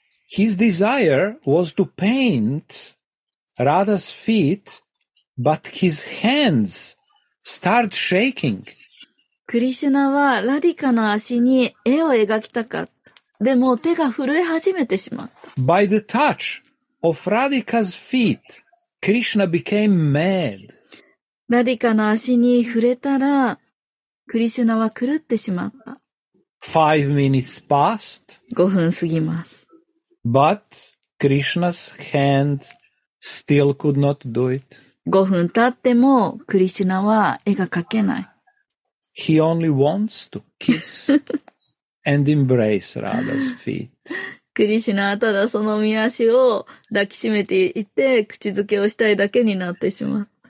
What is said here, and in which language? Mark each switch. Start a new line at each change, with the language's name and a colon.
English: His desire was to paint Radha's feet, but his hands start shaking.
Japanese: クリシュナはラディカの足に絵を描きたかった。でも手が震え始めてしまった。
English: By the touch of Radhika's feet, Krishna became mad.
Japanese: ラディカの足に触れたら、クリシュナは狂ってしまった。
English: 5 minutes passed.
Japanese: 5分過ぎます。
English: But Krishna's hand still could not do it.
Japanese: 5分経ってもクリシュナは絵が描けない。
English: He only wants to kiss. And embrace Radha's feet.
Japanese: クリシュナはただその御足を抱きしめていて口づけをしたいだけになってしまう。